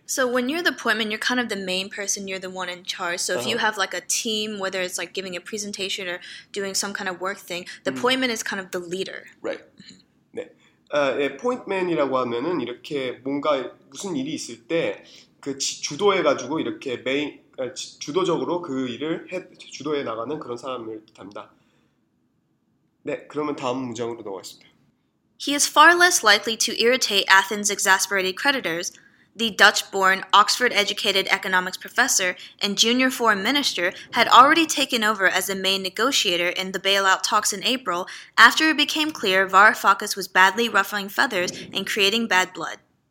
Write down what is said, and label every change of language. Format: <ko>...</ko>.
<en>So when you're the point man, you're kind of the main person. You're the one in charge. So uh-huh. if you have like a team, whether it's like giving a presentation or doing some kind of work thing, the mm. point man is kind of the leader. Right. 네.</en> <ko>예, point man이라고 하면은 이렇게 뭔가 무슨 일이 있을 때 그 주도해가지고 이렇게 메인 주도적으로 그 일을 주도해 나가는 그런 사람을 뜻합니다. 네. 그러면 다음 문장으로 넘어가겠습니다.</ko> <en>He is far less likely to irritate Athens' exasperated creditors. The Dutch-born, Oxford-educated economics professor and junior foreign minister had already taken over as the main negotiator in the bailout talks in April after it became clear Varoufakis was badly ruffling feathers and creating bad blood.</en>